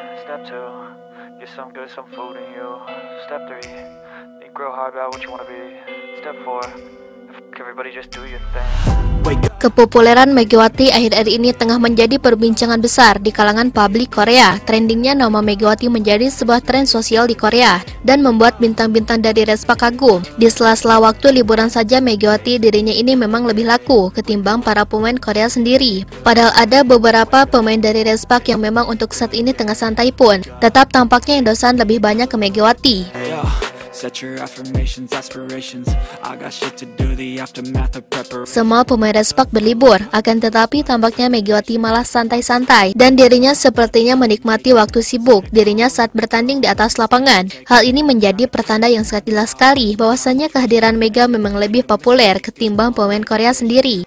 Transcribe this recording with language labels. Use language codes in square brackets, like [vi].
[en] Step 2, get some good, some food in you. Step 3, think real hard about what you wanna be. Step 4, everybody just do your thing. [id] Kepopuleran Megawati akhir-akhir ini tengah menjadi perbincangan besar di kalangan publik Korea. Trendingnya nama Megawati menjadi sebuah tren sosial di Korea dan membuat bintang-bintang dari Respa kagum. Di sela-sela waktu liburan saja Megawati dirinya ini memang lebih laku ketimbang para pemain Korea sendiri. Padahal ada beberapa pemain dari Respa yang memang untuk saat ini tengah santai pun, tetap tampaknya endosan lebih banyak ke Megawati. [en] Set your affirmations, aspirations. I got shit to do, the aftermath of preparation. [id] Semua pemain Respa berlibur, akan tetapi tampaknya Megawati malah santai-santai dan dirinya sepertinya menikmati waktu sibuk dirinya saat bertanding di atas lapangan. Hal ini menjadi pertanda yang sangat jelas sekali bahwasannya kehadiran Mega memang lebih populer ketimbang pemain Korea sendiri.